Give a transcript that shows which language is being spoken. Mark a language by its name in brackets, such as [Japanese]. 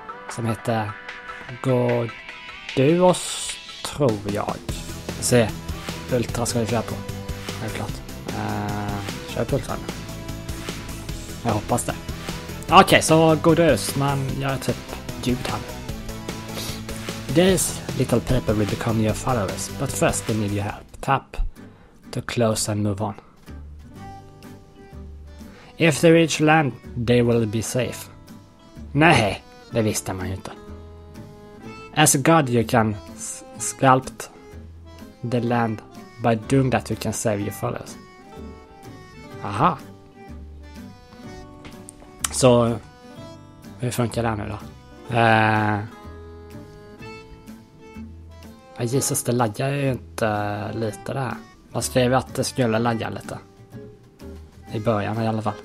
[Swedish] Som heter Godus, tror jag. Se, Ultra ska vi köra på. Helt klart. Kör på Ultra. Jag hoppas det. Okej, så Godus, man gör typ ljud här. [English] This little paper will become your followers, but first they need your help. Tap to close and move on. If they reach land, they will be safe. [Swedish] Nej, det visste man ju inte. [English] As a god, you can sculpt the land by doing that, you can save your followers. Aha. [Swedish] Så, hur funkar det här nu då? Jesus, det laggar ju inte lite det här. Man skrev att det skulle lagga lite. I början i alla fall.